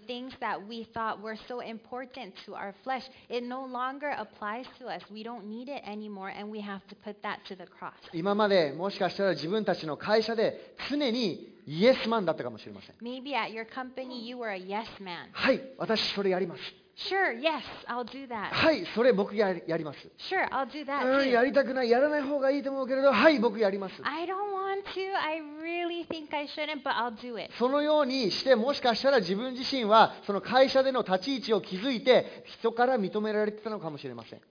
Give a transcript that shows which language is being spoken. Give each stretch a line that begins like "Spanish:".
English: The things that we thought were so important to our flesh, it no longer applies to us. We don't need it anymore, and we have to put that to the cross.
Japanese: 今までもしかしたら自分たちの会社で常にイエスマンだったかもしれません。
English: Maybe at your company you were a yes man.
Japanese: はい、私それやります。
English: Sure, yes, I'll do that.
Japanese: はい、それ僕やります。
English: Sure, I'll do that too.
Japanese: うん、やりたくない、やらない方がいいと思うけれど、はい、僕やります。
English: I don't want to. I really think I shouldn't, but I'll do it.
Japanese: そのようにして、もしかしたら自分自身はその会社での立ち位置を築いて、人から認められてたのかもしれません。